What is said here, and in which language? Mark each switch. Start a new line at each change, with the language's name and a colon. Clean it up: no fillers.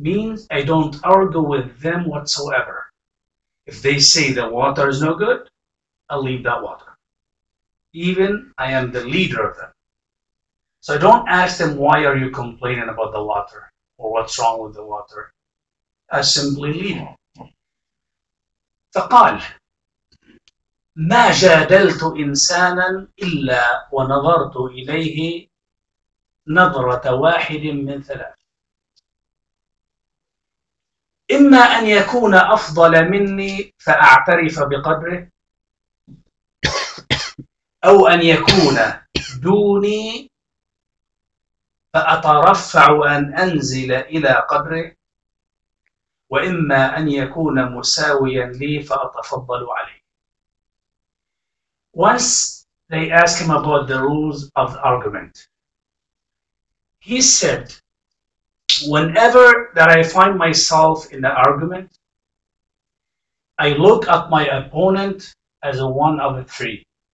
English: Means I don't argue with them whatsoever. If they say the water is no good, I'll leave that water. Even I am the leader of them. So I don't ask them, why are you complaining about the water? Or what's wrong with the water? I simply leave.
Arabic: فقال: ما جادلت إنسانا إلا ونظرت إليه نظرة واحد من ثلاث. إما أن يكون أفضل مني فأعترف بقدره، أو أن يكون دوني فأترفع أن أنزل إلى قدره، وإما أن يكون مساويا لي فأتفضل عليه.
English: Once they asked him about the rules of the argument, he said, whenever that I find myself in the argument, I look at my opponent as a one of the three.